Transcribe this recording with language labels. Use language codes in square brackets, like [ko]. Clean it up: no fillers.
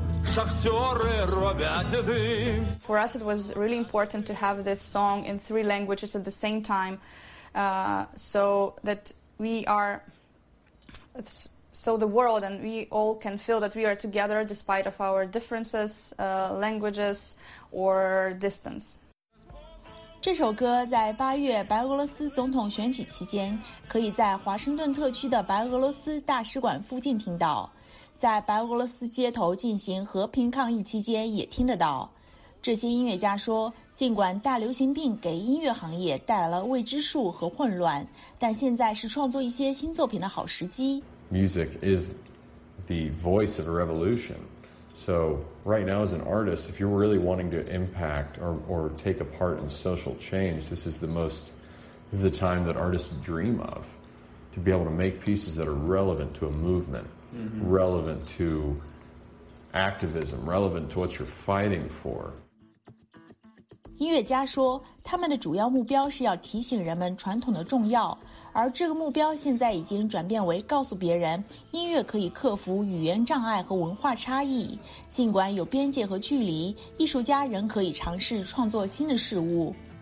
[en] For us, it was really important to have this song in three languages at the same time, so the world and we all can feel that we are together despite of our differences, languages or distance. [zh] 这首歌在八月白俄罗斯总统选举期间，可以在华盛顿特区的白俄罗斯大使馆附近听到。在白俄罗斯街头进行和平抗议期间也听得到。这些音乐家说，尽管大流行病给音乐行业带来了未知数和混乱，但现在是创作一些新作品的好时机。 [en] Music is the voice of a revolution. So right now as an artist, if you're really wanting to impact or take a part in social change, this is the time that artists dream of, to be able to make pieces that are relevant to a movement. Mm-hmm. Relevant to activism, relevant to what you're fighting for. [zh] 音乐家说，他们的主要目标是要提醒人们传统的重要，而这个目标现在已经转变为告诉别人，音乐可以克服语言障碍和文化差异。尽管有边界和距离，艺术家仍可以尝试创作新的事物。